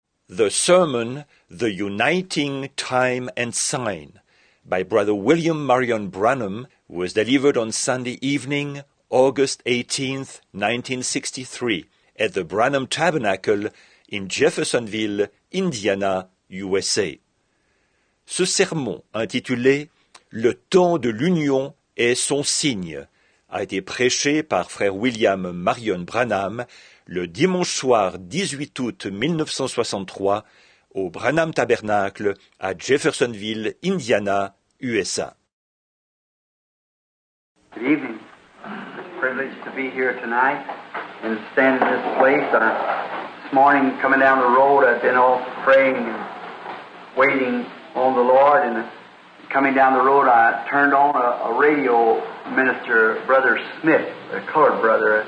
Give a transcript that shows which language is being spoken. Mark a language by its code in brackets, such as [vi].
[en] The Sermon, The Uniting Time and Sign, by Brother William Marion Branham, was delivered on Sunday evening, August 18, 1963, at the Branham Tabernacle in Jeffersonville, Indiana, USA. [fr] Ce sermon, intitulé « Le temps de l'union est son signe », a été prêché par Frère William Marion Branham le dimanche soir 18 août 1963 au Branham Tabernacle à Jeffersonville, Indiana, USA. [en] Good evening. Privileged to be here tonight and stand in this place. This morning, coming down the road, I've been all praying and waiting on the Lord. And coming down the road, I turned on a radio minister, Brother Smith, a colored brother.